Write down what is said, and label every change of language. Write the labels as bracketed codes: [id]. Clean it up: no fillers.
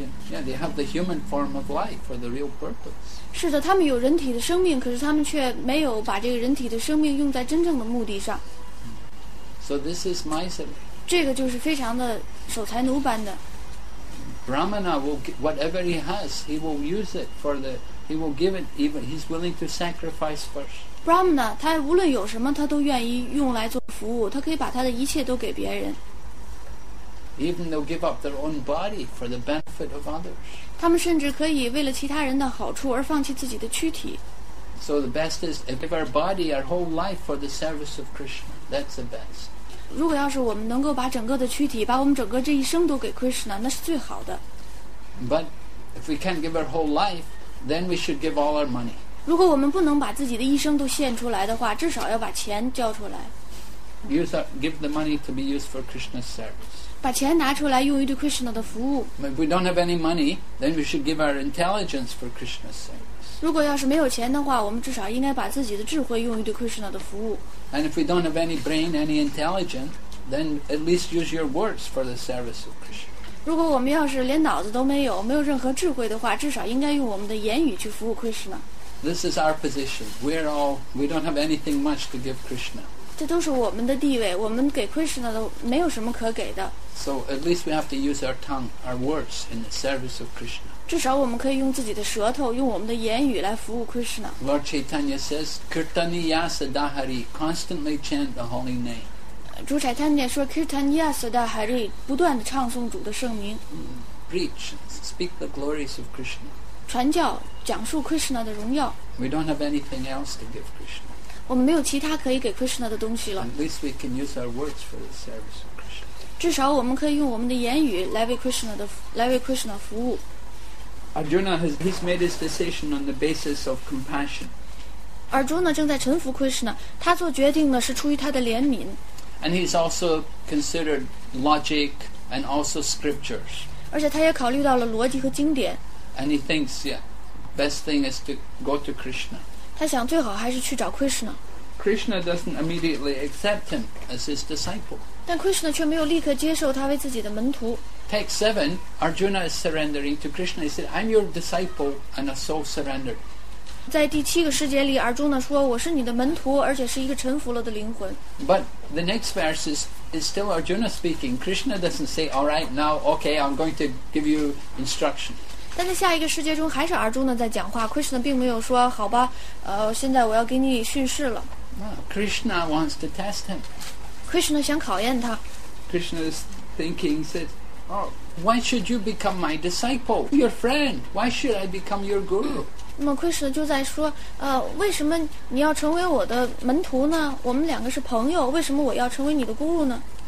[en] Yeah, they have the human form of life for the real purpose. [zh] 是的，他们有人体的生命，可是他们却没有把这个人体的生命用在真正的目的上。 [en] So this is miser. [zh] 这个就是非常的守财奴般的。 [en] Brahmana will get whatever he has, he will use it for the, he will give it even, he's willing to sacrifice first. [zh] Brahmana 他无论有什么他都愿意用来做服务，他可以把他的一切都给别人。 [en] Even they'll give up their own body for the benefit of others. [zh] 他们甚至可以为了其他人的好处而放弃自己的躯体。 [en] So the best is give our body, our whole life for the service of Krishna. That's the best. [zh] 如果要是我们能够把整个的躯体，把我们整个这一生都给 Krishna， 那是最好的。 [en] But if we can't give our whole life, then we should give all our money. [zh] 如果我们不能把自己的一生都献出来的话，至少要把钱交出来。 [en] Give the money to be used for Krishna's service. [zh] 把钱拿出来用于对 Krishna 的服务。 [en] If we don't have any money, then we should give our intelligence for Krishna's service. [zh] 如果要是没有钱的话，我们至少应该把自己的智慧用于对 Krishna 的服务。 [en] And if we don't have any brain, any intelligence, then at least use your words for the service of Krishna. [zh] 如果我们要是连脑子都没有，没有任何智慧的话，至少应该用我们的言语去服务 Krishna. [en] This is our position. We don't have anything much to give Krishna. [zh] 这都是我们的地位，我们给 Krishna 的没有什么可给的。 [en] So at least we have to use our tongue, our words in the service of Krishna. [zh] 至少我们可以用自己的舌头，用我们的言语来服务 Krishna. [en] Lord Chaitanya says, "Kirtaniya Sadahari, constantly chant the holy name." [zh] 主 Chaitanya 说 ，"Kirtaniya Sadahari, 不断的唱诵主的圣名。 [en] Preach, speak the glories of Krishna. [zh] 传教，讲述 Krishna 的荣耀。 [en] We don't have anything else to give Krishna. [zh] 我们没有其他可以给 Krishna 的东西了。 [en] At least we can use our words for the service of Krishna. [zh] 至少我们可以用我们的言语来为 Krishna 服务。 [en] Arjuna has made his decision on the basis of compassion. [zh] Arjuna 正在臣服 Krishna， 他做决定呢是出于他的怜悯。 [en] And he's also considered logic and also scriptures. [zh] 而且他也考虑到了逻辑和经典。 [en] And he thinks, yeah, best thing is to go to Krishna. [zh] 他想最好还是去找 Krishna。 [en] Krishna doesn't immediately accept him as his disciple. [zh] 但 Krishna 却没有立刻接受他为自己的门徒。 [en] Text 7, Arjuna is surrendering to Krishna. He said, "I'm your disciple and a soul surrendered." [zh] 在第七个世界里 ，Arjuna 说：“我是你的门徒，而且是一个臣服了的灵魂。 [en] ”But the next verse is still Arjuna speaking. Krishna doesn't say, "All right, now, okay, I'm going to give you instruction." [zh] 但在下一个世界中还是阿朱呢在讲话 Krishna 并没有说好吧现在我要给你训示了 [en] Krishna wants to test him [zh] Krishna 想考验他 [en] Krishna is thinking said, Why should you become my disciple? Your friend, why should I become your guru? [zh] 那么 Krishna 就在说为什么你要成为我的门徒呢我们两个是朋友为什么我要成为你的 guru 呢